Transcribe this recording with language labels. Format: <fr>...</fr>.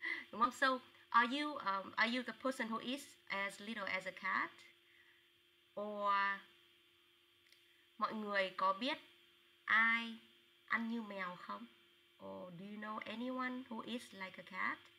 <vi>Đúng không?</vi> <en>So, are you the person who eats as little as a cat?</en> <vi>Or mọi người có biết ai ăn như mèo không?</vi> <en>Or do you know anyone who is like a cat?</en>